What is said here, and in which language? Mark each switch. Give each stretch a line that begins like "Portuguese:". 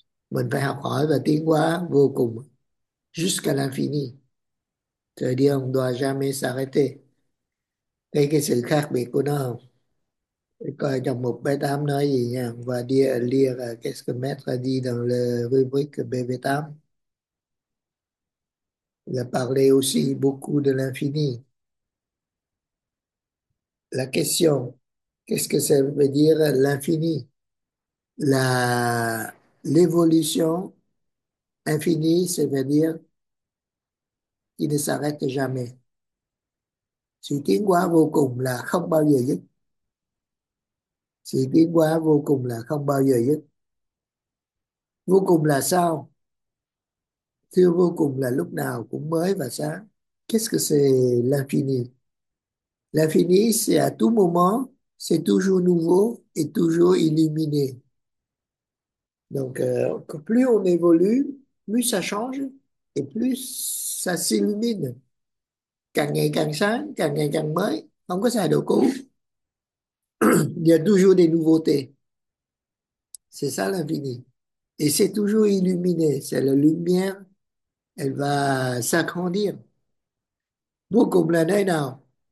Vietnamese: Mình phải học hỏi và tiến hóa vô cùng
French: jusqu'à l'infini. C'est-à-dire, on ne doit jamais s'arrêter.
Vietnamese: Thấy cái sự khác biệt của nó không? Để coi trong mục B8 nói gì nha.
French: Và lire qu'est-ce que maître dit dans le rubrique BB8. Il a parlé aussi beaucoup de l'infini. La question, qu'est-ce que ça veut dire l'infini? L'évolution infinie, ça veut dire qu'il ne s'arrête jamais.
Vietnamese: Sự tiến hóa vô cùng là không bao giờ dứt. Sự tiến hóa vô cùng là không bao giờ dứt. Vô cùng là sao? Thưa, vô cùng là lúc nào cũng mới và sáng.
French: Qu'est-ce que c'est l'infini? L'infini, c'est à tout moment, c'est toujours nouveau et toujours illuminé. Donc, plus on évolue, plus ça change et plus ça s'illumine.
Vietnamese: Càng ngày càng sáng, càng ngày càng mới, không có xài đồ cũ.
French: Il y a toujours des nouveautés. C'est ça l'infini. Et c'est toujours illuminé. C'est la lumière, elle va s'agrandir.
Vietnamese: Vô cùng là nơi nào?